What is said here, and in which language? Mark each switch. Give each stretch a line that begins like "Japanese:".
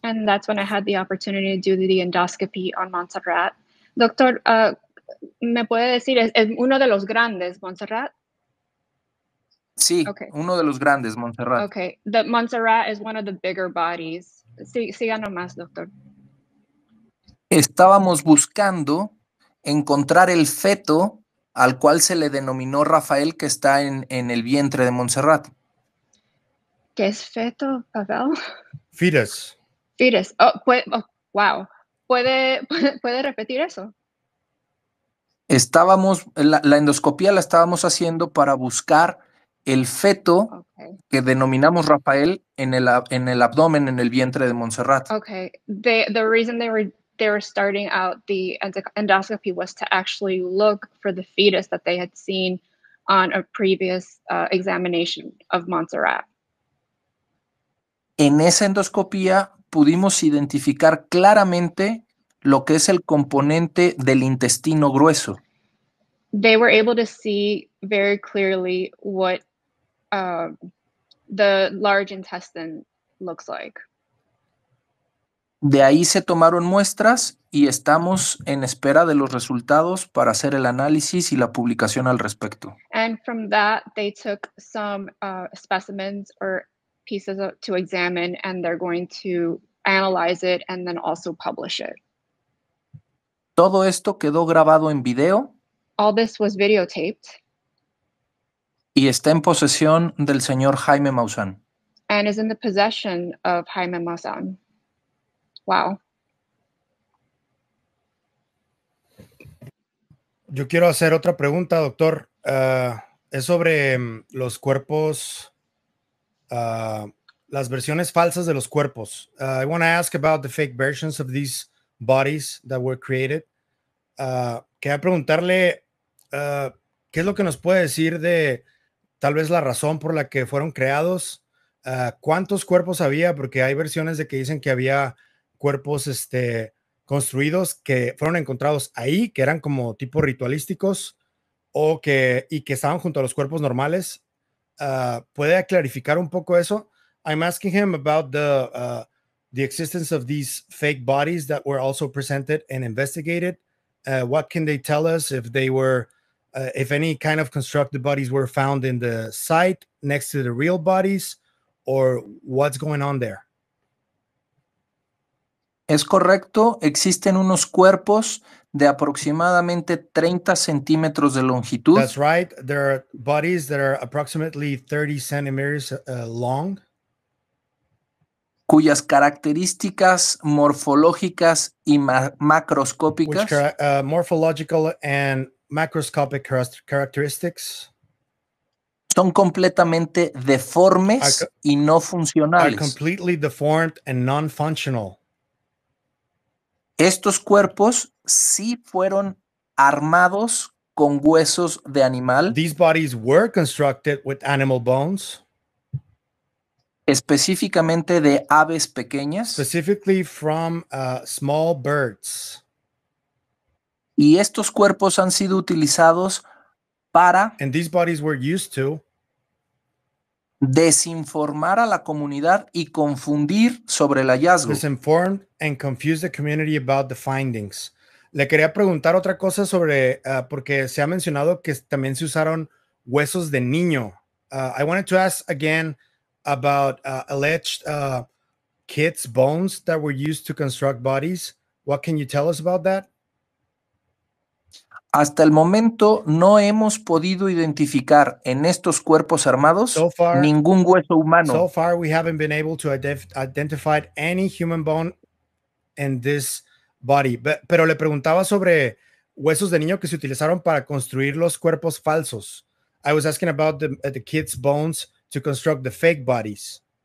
English: And that's when I had the opportunity to do the endoscopy on Montserrat.
Spanish: Doctor, ¿me puede decir, es uno de los grandes, Montserrat? Sí, okay. Uno de los grandes, Montserrat.
English: Okay, the Montserrat is one of the bigger bodies.
Spanish: Sí, siga nomás, doctor. Estábamos buscando encontrar el feto al cual se le denominó Rafael, que está en el vientre de Montserrat. ¿Qué es feto, Pavel?
English: Fetus.
Spanish: Fetus. Wow. ¿Puede repetir eso? Estábamos, la endoscopía la estábamos haciendo para buscar el feto que denominamos Rafael en el abdomen, en el vientre de Montserrat.
English: Okay. The reason they were starting out the endoscopy was to actually look for the fetus that they had seen on a previous examination of Montserrat.
Spanish: En esa endoscopía pudimos identificar claramente lo que es el componente del intestino grueso.
English: They were able to see very clearly what the large intestine looks like.
Spanish: De ahí se tomaron muestras y estamos en espera de los resultados para hacer el análisis y la publicación al respecto.
English: And from that, they took some specimens or pieces to examine, and they're going to analyze it and then also publish it.
Spanish: Todo esto quedó grabado en video.
English: All this was videotaped.
Spanish: Y está en posesión del señor Jaime Maussan.
English: And is in the possession of Jaime Maussan. Wow.
Spanish: Yo quiero hacer otra pregunta, doctor. Es sobre los cuerpos, las versiones falsas de los cuerpos.
English: I want to ask about the fake versions of these bodies that were created.
Spanish: Quería preguntarle, ¿qué es lo que nos puede decir de tal vez la razón por la que fueron creados? ¿Cuántos cuerpos había? Porque hay versiones de que dicen que había cuerpos construidos que fueron encontrados ahí, que eran como tipo ritualísticos y que estaban junto a los cuerpos normales. ¿Puede clarificar un poco eso?
English: I'm asking him about the existence of these fake bodies that were also presented and investigated. What can they tell us if they were, if any kind of constructed bodies were found in the site next to the real bodies, or what's going on there?
Spanish: Es correcto, existen unos cuerpos de aproximadamente 30 centímetros de longitud.
English: That's right, there are bodies that are approximately 30 centimeters long.
Spanish: Cuyas características morfológicas y macroscópicas.
English: Morphological and macroscopic characteristics.
Spanish: Son completamente deformes y no funcionales.
English: Are completely deformed and non-functional.
Spanish: Estos cuerpos sí fueron armados con huesos de animal.
English: These bodies were constructed with animal bones.
Spanish: Específicamente de aves pequeñas.
English: Specifically from small birds.
Spanish: Y estos cuerpos han sido utilizados para.
English: And these bodies were used to.
Spanish: Desinformar a la comunidad y confundir sobre el hallazgo.
English: Disinformed and confused the community about the findings.
Spanish: Le quería preguntar otra cosa sobre, porque se ha mencionado que también se usaron huesos de niño.
English: I wanted to ask again about alleged kids' bones that were used to construct bodies. What can you tell us about that?
Spanish: Hasta el momento no hemos podido identificar en estos cuerpos armados ningún hueso humano.
English: So far, we haven't been able to identify any human bone in this body.
Spanish: Pero le preguntaba sobre huesos de niño que se utilizaron para construir los cuerpos falsos.
English: I was asking about the kids' bones to construct the fake bodies.